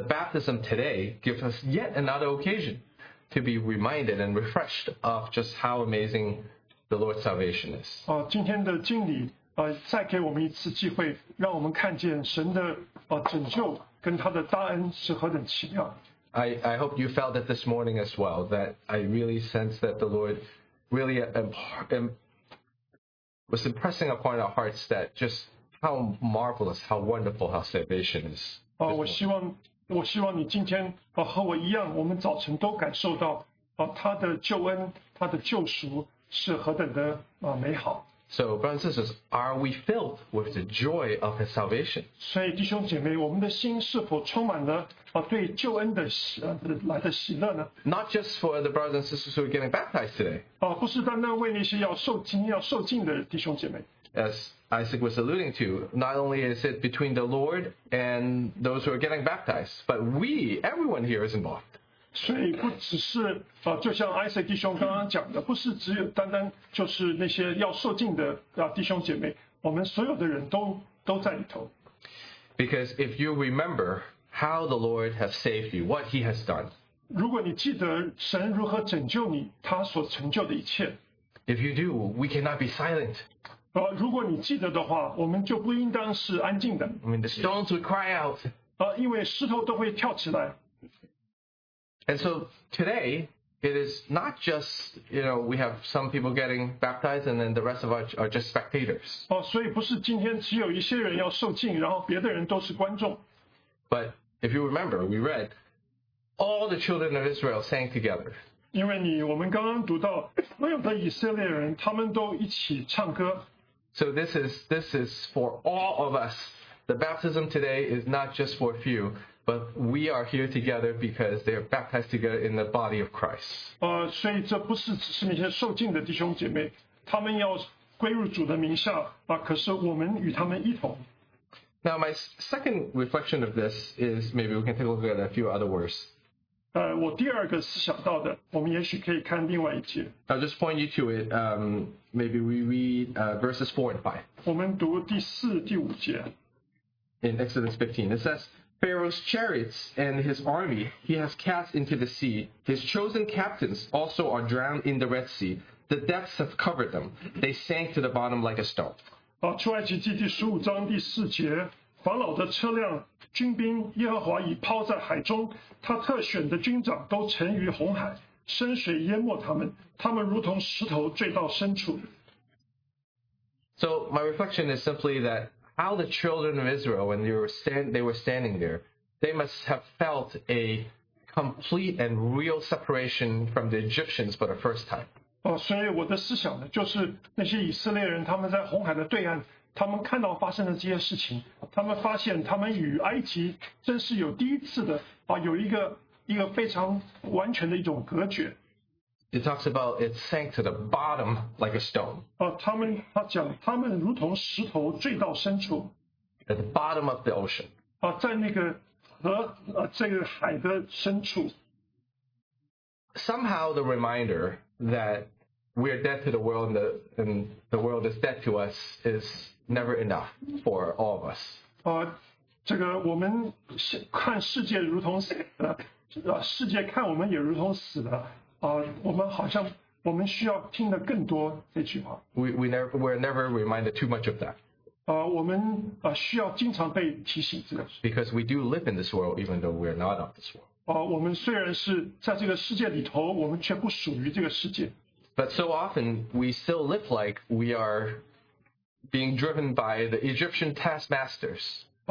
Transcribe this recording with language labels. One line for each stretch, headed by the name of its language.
English: baptism today gives us yet another occasion to be reminded and refreshed of just how amazing the Lord's salvation is.
Chinese: 今天的敬礼再给我们一次机会，让我们看见神的拯救跟他的大恩是何等奇妙。
English: I hope you felt it this morning as well, that I really sense that the Lord really was impressing upon our hearts that just how marvelous, how wonderful, how salvation is.
Chinese: 我希望你今天和我一样，我们早晨都感受到他的救恩，他的救赎是何等的美好。
English: So, brothers and sisters, are we filled with the joy of his salvation?
Chinese: 所以弟兄姐妹，我们的心是否充满了对救恩的来的喜乐呢？
English: Not just for the brothers and sisters who are getting baptized today.
Chinese: 不是单单为那些要受浸的弟兄姐妹。
English: As Isaac was alluding to, not only is it between the Lord and those who are getting baptized, but we, everyone here is involved.
Chinese: 所以不只是就像 Isaac 弟兄刚刚讲的，不是只有单单就是那些要受浸的弟兄姐妹，我们所有的人都在里头。
English: Because if you remember how the Lord has saved you, what he has done.
Chinese: 如果你记得神如何拯救你，他所成就的一切。
English: If you do, we cannot be silent.
Chinese: 如果你记得的话，我们就不应当是安静的。
English: I mean, the stones would cry out.
Chinese: 因为石头都会跳起来。
English: And so today, it is not just, you know, we have some people getting baptized and then the rest of us are just spectators.
Chinese: 所以不是今天只有一些人要受浸，然后别的人都是观众。
English: But if you remember, we read, all the children of Israel sang together.
Chinese: 因为我们刚刚读到，所有的以色列人，他们都一起唱歌。
English: So this is for all of us. The baptism today is not just for a few, but we are here together because they are baptized together in the body of Christ.
Chinese: 所以这不是只是那些受浸的弟兄姐妹，他们要归入主的名下，可是我们与他们一同。
English: Now my second reflection of this is maybe we can take a look at a few other words.
Chinese: 我第二个思想到的，我们也许可以看另外一节。
English: I'll just point you to it. Maybe we read verses 4 and 5.
Chinese: 我们读第四、第五节。
English: In Exodus 15, it says, Pharaoh's chariots and his army he has cast into the sea. His chosen captains also are drowned in the Red Sea. The depths have covered them. They sank to the bottom like a stone.
Chinese: 出埃及记第十五章第四节。法老的车辆、军兵，耶和华已抛在海中，他特选的军长都沉于红海，深水淹没他们，他们如同石头坠到深处。
English: So my reflection is simply that how the children of Israel, when they were standing there, they must have felt a complete and real separation from the Egyptians for the first time.
Chinese: 所以我的思想呢，就是那些以色列人他们在红海的对岸。他们看到发生的这些事情，他们发现他们与埃及真是有第一次的有一个非常完全的一种隔绝。
English: It talks about it sank to the bottom like a stone.
Chinese: 他讲他们如同石头坠到深处。
English: At the bottom of the ocean.
Chinese: 在那个河这个海的深处。
English: Somehow the reminder that we are dead to the world and the world is dead to us is never enough for all of us.
Chinese: 这个我们看世界如同死的，世界看我们也如同死的。我们好像我们需要听得更多这句话。
English: We're never reminded too much of that.
Chinese: 我们需要经常被提醒这个。
English: Because we do live in this world, even though we're not of this world.
Chinese: 我们虽然是在这个世界里头，我们却不属于这个世界。
English: But so often we still live like we are being driven by the Egyptian taskmasters.